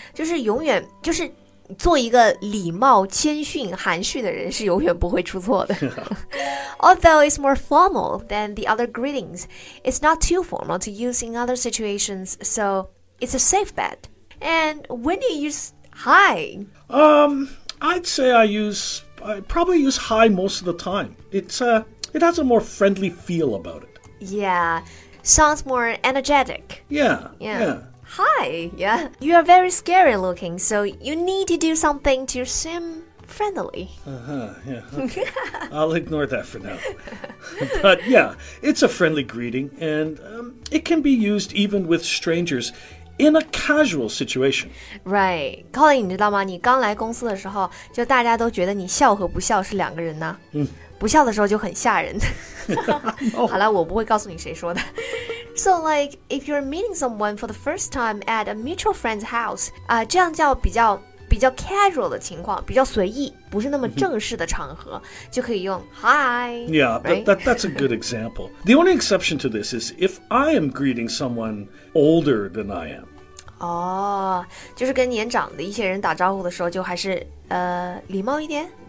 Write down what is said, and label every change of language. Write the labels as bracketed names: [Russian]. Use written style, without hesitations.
[Chinese] 就是永远就是做一个礼貌、谦逊、含蓄的人是永远不会出错的。 [English] Although it's more formal than the other greetings, it's not too formal to use in other situations, so it's a safe bet. And when do you use hi? I'd say I probably use hi most of the time. It has a more friendly feel about it. Yeah, sounds more energetic. Yeah. Hi, yeah. You are very scary looking, so you need to do something to seem friendly. Okay. I'll ignore that for now. But yeah, it's a friendly greeting, and it can be used even with strangers in a casual situation. [Chinese] Right. Colin, 你知道吗？你刚来公司的时候，就大家都觉得你笑和不笑是两个人呢。不笑的时候就很吓人。好了，我不会告诉你谁说的。 [English] So, like, if you're meeting someone for the first time at a mutual friend's house, [Chinese] 这样叫比较 casual 的情况，比较随意，不是那么正式的场合，就可以用 hi. [English] Yeah, that's a good example. The only exception to this is if I am greeting someone older than I am. [Chinese] 哦，就是跟年长的一些人打招呼的时候，就还是礼貌一点。